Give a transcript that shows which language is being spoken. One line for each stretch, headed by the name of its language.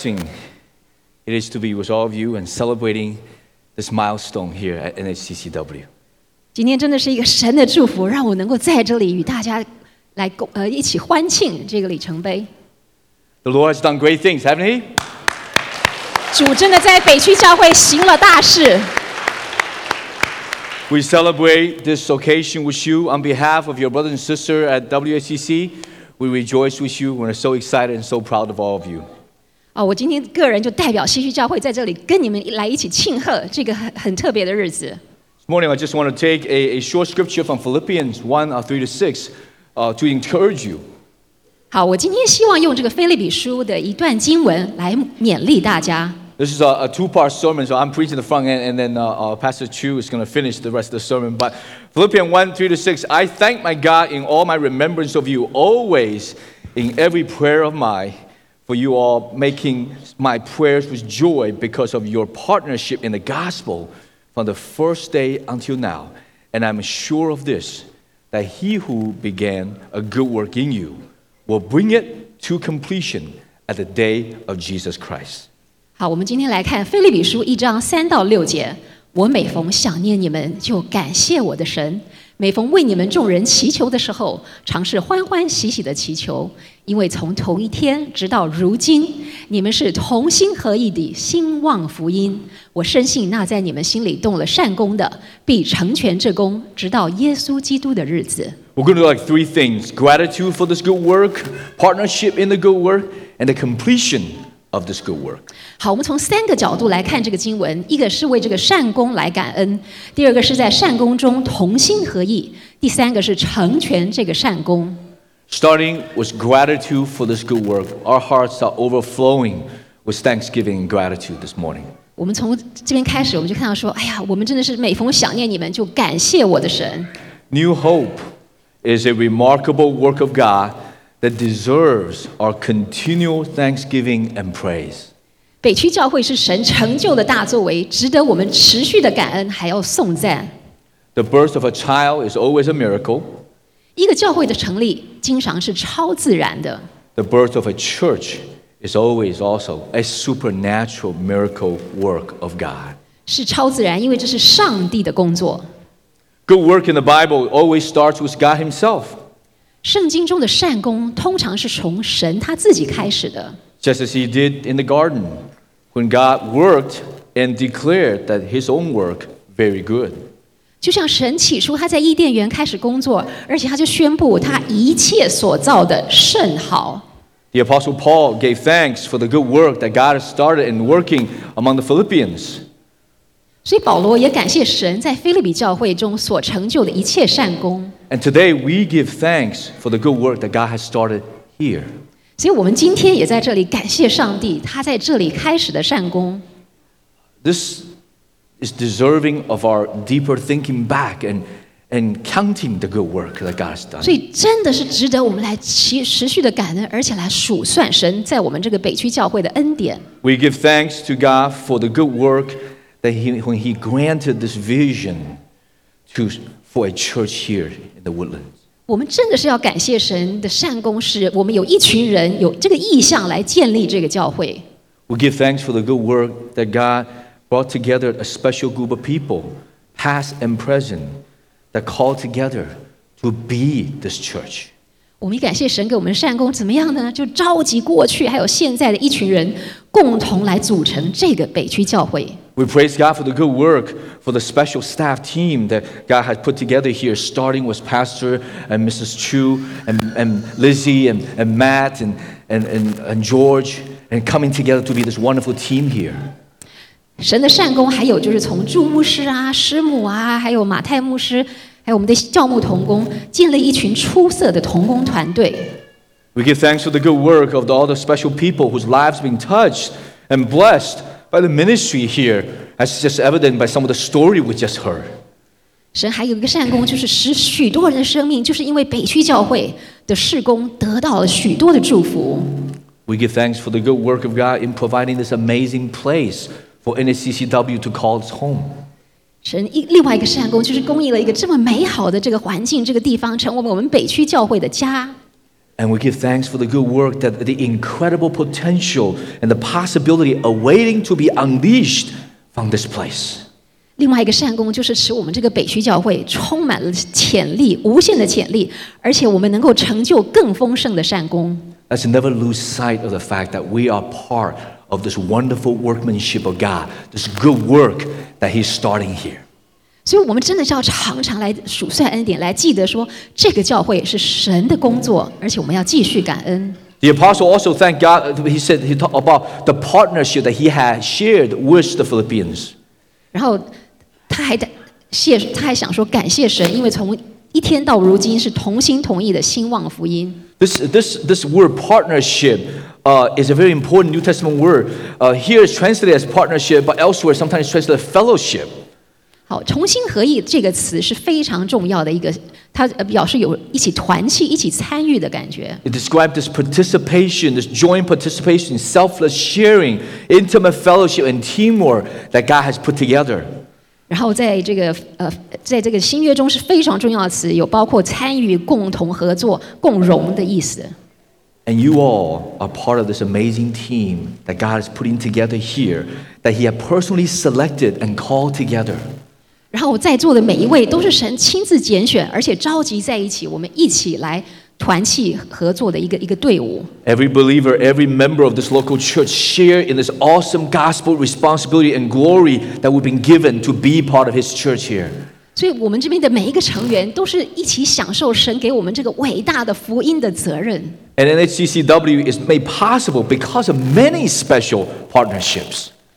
English: blessing it is to be with all of you and celebrating this milestone here at NHCCW.
Chinese: 今天真的是一个神的祝福，让我能够在这里与大家来一起欢庆这个里程碑。
English: The Lord has done great things, haven't He?
Chinese: 主真的在北区教会行了大事。
English: We celebrate this occasion with you on behalf of your brothers and sisters at WACC. We rejoice with you. We are so excited and so proud of all of you.
Chinese: 我今天个人就代表西区教会在这里跟你们来一起庆贺这个很特别的日子。
English: This morning, I just want to take a short scripture from Philippians 1:3-6, to encourage you.
Chinese: 好，我今天希望用这个腓立比书的一段经文来勉励大家。
English: This is a two-part sermon, so I'm preaching the front end, and then Pastor Chu is going to finish the rest of the sermon. But Philippians 1:3-6, I thank my God in all my remembrance of you, always in every prayer of mine, for you all making my prayers with joy because of your partnership in the gospel from the first day until now. And I'm sure of this, that he who began a good work in you will bring it to completion at the day of Jesus Christ.
Chinese: 好，我们今天来看腓立比书1:3-6。我每逢想念你们，就感谢我的神；每逢为你们众人祈求的时候，常是欢欢喜喜的祈求，因为从头一天直到如今，你们是同心合意地兴旺福音。我深信那在你们心里动了善功的，必成全这功，直到耶稣基督的日子。
English: We're going to do like three things: gratitude for this good work, partnership in the good work, and the completion. Of this good work.
Chinese: 好，我们从三个角度来看这个经文，一个是为这个善功来感恩，第二个是在善功中同心合意，第三个是成全这个善功。
English: Starting with gratitude for this good work, our hearts are overflowing with thanksgiving and gratitude this morning.
Chinese: 我们从这边开始，我们就看到说，哎呀，我们真的是每逢想念你们，就感谢我的神。
English: New Hope is a remarkable work of God. That deserves our continual thanksgiving and praise.
Chinese: 北区教会是神成就的大作为，值得我们持续的感恩，还要颂赞。
English: The birth of a child is always a miracle.
Chinese: 一个教会的成立经常是超自然的。
English: The birth of a church is always also a supernatural miracle work of God.
Chinese: 是超自然，因为这是上帝的工作。
English: Good work in the Bible always starts with God Himself.
Chinese: 圣经中的善功通常是从神他自己开始的。
English: Just as he did in the garden, when God worked and declared that his own work very good.
Chinese: 就像神起初他在伊甸园开始工作，而且他就宣布他一切所造的甚好。
English: The Apostle Paul gave thanks for the good work that God started and working among the Philippians.
Chinese: 所以保罗也感谢神在腓立比教会中所成就的一切善功。
English: And today we give thanks for the good work that God has started here.
Chinese: 所以我们今天也在这里感谢上帝，他在这里开始的善功。
English: This is deserving of our deeper thinking back and counting the good work that God has done.
Chinese: 所以真的是值得我们来持续的感恩，而且来数算神在我们这个北区教会的恩典。
English: We give thanks to God for the good work that He when He granted this vision to. For a church here in the Woodlands.
Chinese: 我们真的是要感谢神的善功，是我们有一群人有这个意向来建立这个教会。
English: We give thanks for the good work that God brought together a special group of people, past and present, that called together to be this church.
Chinese: 我们感谢神给我们善功，怎么样呢？就召集过去还有现在的一群人，共同来组成这个北区教会。
English: We praise God for the good work for the special staff team that God has put together here, starting with Pastor and Mrs. Chu and Lizzie and Matt and George, and coming together to be this wonderful team here.
Chinese: 神的善工还有就是从祝牧师啊、师母啊，还有马太牧师，还有我们的教牧同工，建立一群出色的同工团队。
English: We give thanks for the good work of all the special people whose lives have been touched and blessed. By the ministry here, as just evident by some of the story we just heard.
Chinese: 神还有一个善工，就是使许多人的生命，就是因为北区教会的事工得到了许多的祝福。
English: We give thanks for the good work of God in providing this amazing place for NHCCW to call its home.
Chinese: 神另外一个善工，就是供应了一个这么美好的这个环境，这个地方成为我们北区教会的家。
English: And we give thanks for the good work that the incredible potential and the possibility awaiting to be unleashed from this place.
Chinese: 另外一个善工就是使我们这个北区教会充满了潜力，无限的潜力，而且我们能够成就更丰盛的善工。
English: Let's never lose sight of the fact that we are part of this wonderful workmanship of God, this good work that He's starting here.
Chinese: 所以我们真的是要常常来数算恩典，来记得说这个教会是神的工作，而且我们要继续感恩。
English: The apostle also thanked God. He said he talked about the partnership that he had shared with the Philippians.
Chinese: 然后他还想说感谢神，因为从一天到如今是同心同意的兴旺福音。
English: This word partnership, is a very important New Testament word. Here is translated as partnership, but elsewhere sometimes translated as fellowship.
Chinese: 好，同心合意这个词是非常重要的一个，它表示有一起团契、一起参与的感觉。
English: It describes this participation, this joint participation, selfless sharing, intimate fellowship and teamwork that God has put together.
Chinese: 然后在这个在这个新约中是非常重要的词，有包括参与、共同合作、共荣的意思。
English: And you all are part of this amazing team that God is putting together here, that He has personally selected and called together.
Chinese: 然后在座的每一位都是神亲自拣选，而且召集在一起，我们一起来团契合作的一个队伍。
English: Every believer, every member of this local church share in this awesome gospel responsibility and glory that we've been given to be part of His church here.
Chinese: 所以我们这边的每一个成员都是一起享受神给我们这个伟大的福音的责任。
English: And NHCCW is made possible because of many special partnerships.